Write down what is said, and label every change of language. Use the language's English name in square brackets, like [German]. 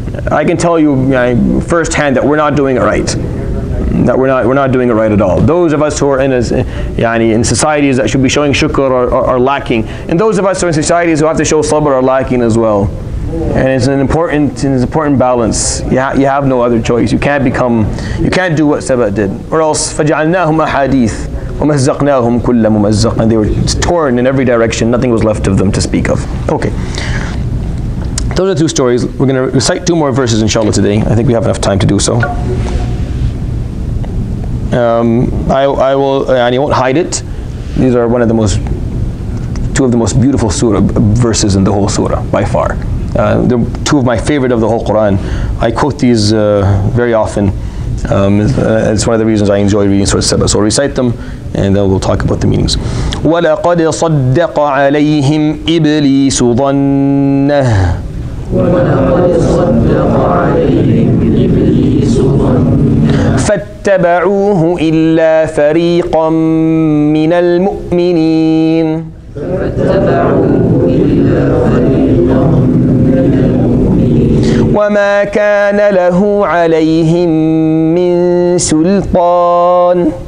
[English] I can tell you firsthand that we're not doing it right. That we're not doing it right at all. Those of us who are in societies that should be showing shukr are lacking. And those of us who are in societies who have to show sabr are lacking as well. And it's an important balance. You have no other choice. You can't do what Saba did. Or else, [Arabic] فَجَعَلْنَاهُمْ أَحَادِيثْ وَمَزَّقْنَاهُمْ كُلَّ مُمَزَّقْنَ. [English] And they were torn in every direction. Nothing was left of them to speak of. Okay. Those are two stories. We're going to recite two more verses, inshallah, today. I think we have enough time to do so. I won't hide it. These are two of the most beautiful surah verses in the whole surah by far. They're two of my favorite of the whole Quran. I quote these very often. It's one of the reasons I enjoy reading Surah Saba. So I'll recite them, and then we'll talk about the meanings. [Arabic] وَلَقَدْ صَدَّقَ عَلَيْهِمْ إِبْلِيسُ ظَنَّهُ فاتبعوه إلا فريقا من المؤمنين وما كان له عليهم من سلطان